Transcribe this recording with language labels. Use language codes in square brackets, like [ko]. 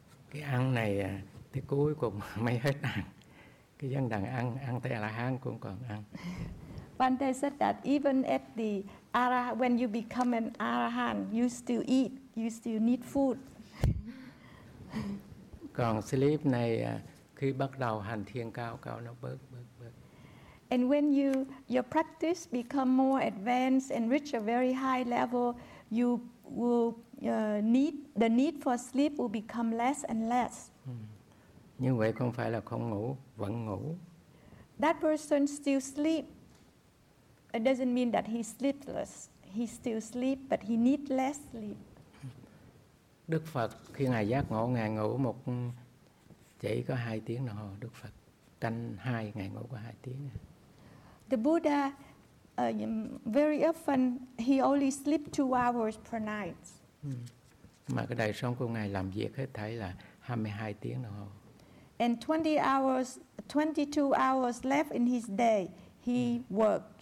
[vi] Cái ăn này tới cuối cùng mới hết ăn. Cái dân đàn ăn tới A-la-hán cũng còn ăn. [en] Bhante said that even at the arahant, when you become an arahant, you still eat, you still need food. [vi] Còn sleep này khi bắt đầu hành thiền cao nó bớt. [en] And when your practice become more advanced and reach a very high level, you will the need for sleep will become less and less. [vi] Như vậy không phải là không ngủ, vẫn ngủ. [en] That person still sleep. It doesn't mean that he's sleepless. He still sleep, but he need less sleep. [vi] Đức Phật khi ngài giác ngộ, ngài ngủ một chỉ có 2 tiếng đồng hồ. Đức Phật canh 2, ngài ngủ có 2 tiếng. [en] The Buddha very often he only sleep 2 hours per night. [vi] Mà cái đời sống của ngài làm việc hết thấy là 22 tiếng đồng hồ. [en] And 22 hours left in his day, he worked.